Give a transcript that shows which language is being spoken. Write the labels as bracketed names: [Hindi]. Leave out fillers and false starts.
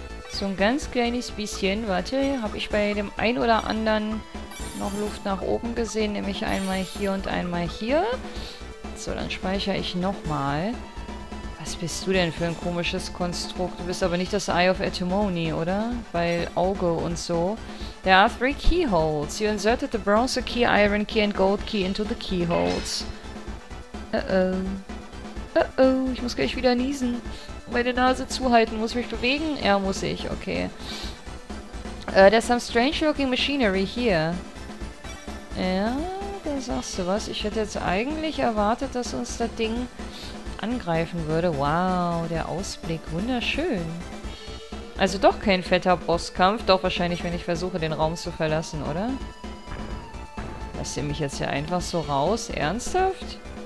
[German] So ein ganz kleines bisschen. Warte, habe ich bei dem ein oder anderen... noch Luft nach oben gesehen, nämlich einmal hier und einmal hier. So, dann speichere ich nochmal. Was bist du denn für ein komisches Konstrukt? Du bist aber nicht das Eye of Etymony, oder? Weil Auge und so. [English] There are three keyholes. You inserted the bronze key, iron key and gold key into the keyholes. Uh-oh. [German] Uh-oh, ich muss gleich wieder niesen. Meine Nase zuhalten. Muss ich mich bewegen? Ja, muss ich. Okay. [English] There's some strange looking machinery here. [German] Ja, da sagst du was. Ich hätte jetzt eigentlich erwartet, dass uns das Ding angreifen würde. Wow, der Ausblick. Wunderschön. Also doch kein fetter Bosskampf. Doch wahrscheinlich, wenn ich versuche, den Raum zu verlassen, oder? Lasst ihr mich jetzt hier einfach so raus? Ernsthaft?